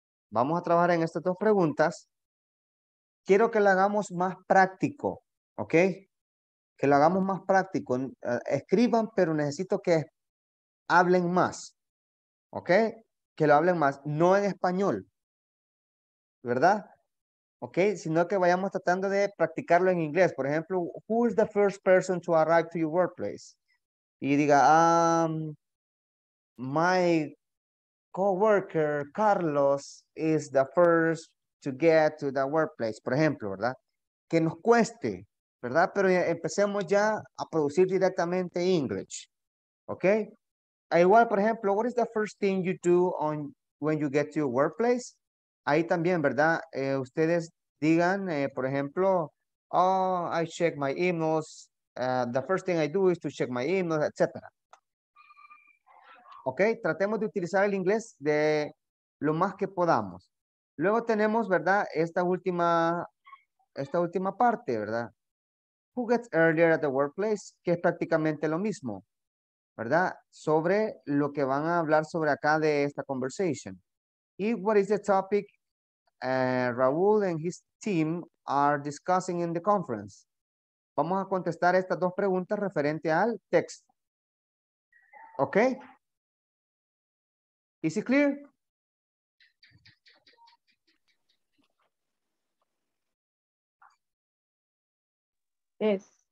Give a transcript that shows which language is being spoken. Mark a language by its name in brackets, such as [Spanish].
[Spanish] Vamos a trabajar en estas dos preguntas. Quiero que lo hagamos más práctico, ¿ok? Que lo hagamos más práctico. Escriban, pero necesito que hablen más, ¿ok? Que lo hablen más, no en español, ¿verdad? ¿Ok? Sino que vayamos tratando de practicarlo en inglés. Por ejemplo, [English] who is the first person to arrive to your workplace? [Spanish] Y diga, [English] my coworker Carlos is the first to get to the workplace, [Spanish] por ejemplo, ¿verdad? Que nos cueste, ¿verdad? Pero ya empecemos ya a producir directamente [English] English, [Spanish] ¿ok? [English] Igual, por ejemplo, what is the first thing you do on when you get to your workplace? [Spanish] Ahí también, ¿verdad? Ustedes digan, por ejemplo, [English] oh, I check my emails. The first thing I do is to check my emails, etc. [Spanish] Ok, tratemos de utilizar el inglés de lo más que podamos. Luego tenemos, ¿verdad? Esta última parte, ¿verdad? [English] Who gets earlier at the workplace? [Spanish] Que es prácticamente lo mismo, ¿verdad? Sobre lo que van a hablar sobre acá de esta conversation. [English] Y what is the topic Raúl and his team are discussing in the conference? [Spanish] Vamos a contestar estas dos preguntas referente al texto. [English] Ok. Is it clear? Yes.